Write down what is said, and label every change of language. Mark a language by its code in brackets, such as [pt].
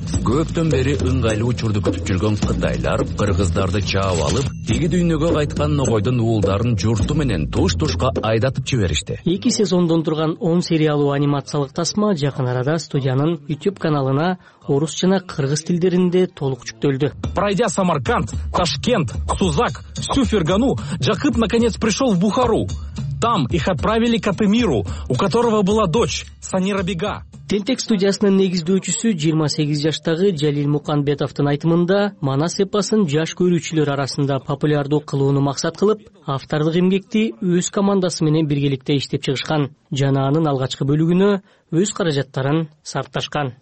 [ky] Көптөн бери ыңгайлуу учурду күтүп жүргөн кытайлар кыргыздарды чаап алып, тиги дүйнөгө кайткан ногойдун уулдарын журту менен туш-тушка айдатып жиберишти. Эки сезондон турган 10 сериялуу анимациялык тасма жакын арада студиянын YouTube каналына орус жана кыргыз тилдеринде толук жүктөлдү. [ru] Пройдя Самарканд, Ташкент, Сузак, всю Фергану, Жакыт наконец пришел в Бухару. Там их отправили к Атемиру, у которого была дочь Санира Бега. [ky] Тентек студиясынын негиздөөчүсү 28 жаштагы Жалил Муканбетовдун айтымында Манас эпосун жаш көрүүчүлөр арасында популярдуу кылууну максат кылып, автордук эмгекти өз командасы менен биргеликте иштеп чыгышкан жана анын алгачкы бөлүгүнө өз каражаттарын сарпташкан.